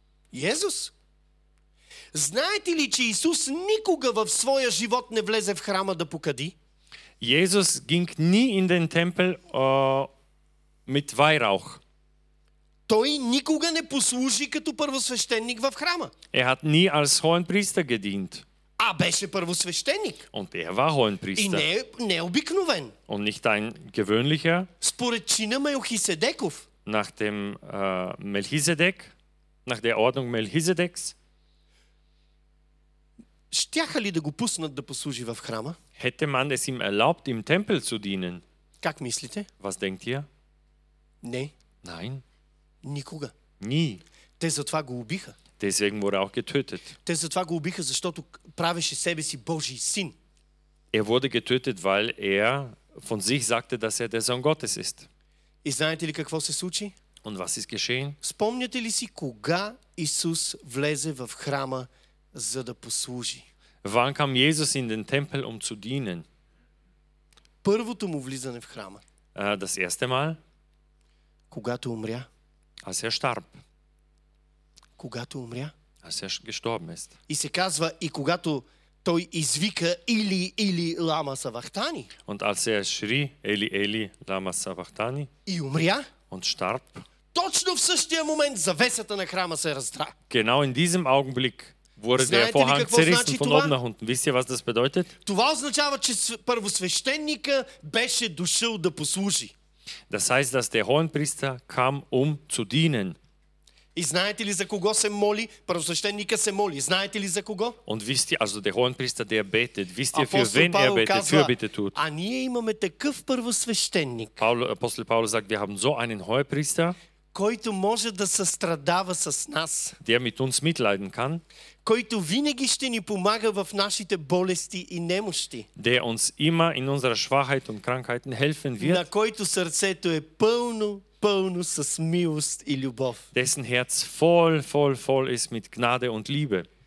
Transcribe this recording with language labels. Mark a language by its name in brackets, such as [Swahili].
[German] Jesus. [Bulgarian] Знаете ли, че Исус никога в своя живот не влезе в храма да покади? [German] Jesus ging nie in den Tempel mit Weihrauch. [Bulgarian] Той никога не послужи като първосвещеник в храма. [German] Er hat nie als Hohenpriester gedient. [Bulgarian] А беше първосвещеник. [German] Und er war Hohenpriester. [Bulgarian] И не необикновен. [German] Und nicht ein gewöhnlicher. [Bulgarian] Според чина Мелхиседеков. [German] Nach dem Melchisedek, nach der Ordnung Melchisedeks. [Bulgarian] Щяха ли да го пуснат да послужи в храма? [German] Hätte man es ihm erlaubt, im Tempel zu dienen? [Bulgarian] Как мислите? [German] Was denkt ihr? [Bulgarian] Не. [German] Nein. [Bulgarian] Никога. [German] Nie. [Bulgarian] Те затова го убиха. [German] Deswegen wurde auch getötet. [Bulgarian] Те затова го убиха, защото правеше себе си Божий син. [German] Er wurde getötet, weil er von sich sagte, dass er der Sohn Gottes ist. [Bulgarian] И знаете ли какво се случи? [German] Und was ist geschehen? [Bulgarian] Спомняте ли си кога Исус влезе в храма за да послужи? [German] Wann kam Jesus in den Tempel, um zu dienen? [Bulgarian] Първото му влизане в храма. [German] Das erste Mal. [Bulgarian] Когато умря. [German] Als er starb. [Bulgarian] Когато умря. [German] Als er gestorben ist. [Bulgarian] И се казва, и когато той извика Или, Или, лама савахтани. [German] Und als er schrie, Eli, Eli, lama savachtani. [Bulgarian] И умря. [German] Und starb. [Bulgarian] Точно в същия момент завесата на храма се раздра. [German] Genau in diesem Augenblick wurde der Vorhang zerrissen von oben nach unten. Wisst ihr, was das bedeutet? [Bulgarian] Това означава, че първосвещеника беше дошъл да послужи. [German] Das heißt, dass der Hohenpriester kam, um zu dienen. [Bulgarian] И знаете ли за кого се моли? Първосвещеника се моли. Знаете ли за кого? [German] Und wisst ihr, also der Hohenpriester, der betet. Wisst ihr, für wen er betet, für bitte tut. [Bulgarian] А ние имаме такъв първосвещеник. [German] Апостол Павел sagt, wir haben so einen Hohenpriester, [Bulgarian] който може да състрадава с нас, [German] der mit uns mitleiden kann, [Bulgarian] който винаги ще ни помага в нашите болести и немощи, [German] der uns immer in unserer Schwachheit und Krankheiten helfen wird, [Bulgarian] на който сърцето е пълно, пълно с милост и любов, [German] dessen Herz voll ist mit Gnade und Liebe.